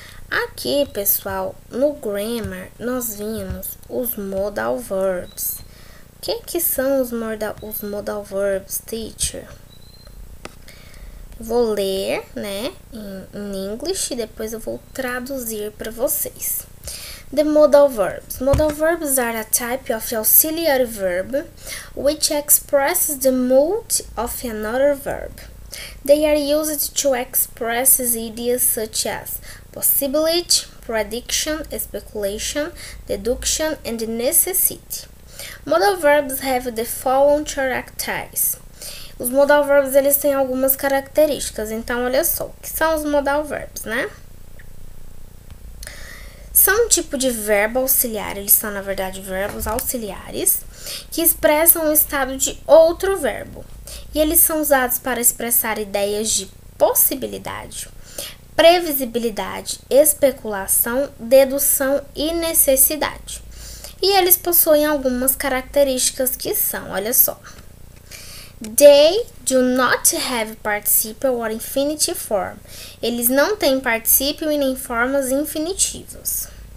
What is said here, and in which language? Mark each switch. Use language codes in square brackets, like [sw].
[pt] Aqui, pessoal, no grammar nós vimos os modal verbs. O que são os modal verbs, teacher? Vou ler, né, em English e depois eu vou traduzir para vocês. [en] The modal verbs. Modal verbs are a type of auxiliary verb which expresses the mood of another verb. They are used to express ideas such as possibility, prediction, speculation, deduction, and necessity. Modal verbs have the following characteristics. [pt] Os modal verbs eles têm algumas características. Então, olha só, o que são os modal verbs, né? São um tipo de verbo auxiliar. Eles são, na verdade, verbos auxiliares que expressam o estado de outro verbo. E eles são usados para expressar ideias de possibilidade, previsibilidade, especulação, dedução e necessidade. E eles possuem algumas características que são, olha só. [en] They do not have participle or infinitive form. [pt] Eles não têm participio e nem formas infinitivas.